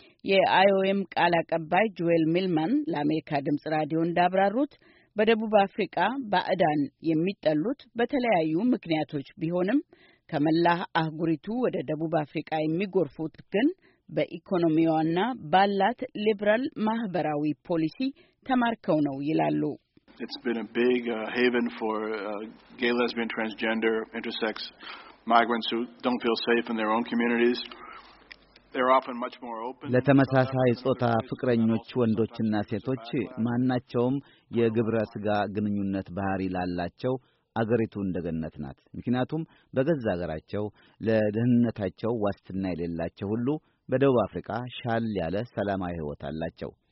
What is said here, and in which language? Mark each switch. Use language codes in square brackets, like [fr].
[am] የIOM ቃል አቀባይ ጆኤል ሚልማን ለአሜሪካ ድምጽ ራዲዮ እንዳብራሩት በደቡብ አፍሪካ ባዕዳን የሚጠሉት በተለያዩ ምክንያቶች ቢሆንም ከመላ አህጉሪቱ ወደ ደቡብ አፍሪካ የሚጎርፉት ግን በኢኮኖሚዋና ባላት ሊብራል ማህበራዊ ፖሊሲ ተማርከው ነው ይላሉ። [en] It's been a big haven for gay, lesbian, transgender, intersex migrants who don't feel safe in their own communities. They're often much more open. [am] ለተመሳሳይ ጾታ ፍቅረኞች ወንዶችና ሴቶች ማናቸውም የግብረ ስጋ ግንኙነት ባህሪ ላላቸው አገሪቱ እንደገነት ናት። ምክንያቱም በገዛ አገራቸው ለደህንነታቸው ዋስትና የሌላቸው ሁሉ በደቡብ አፍሪካ ሻል ያለ ሰላማዊ ህይወት አላቸው።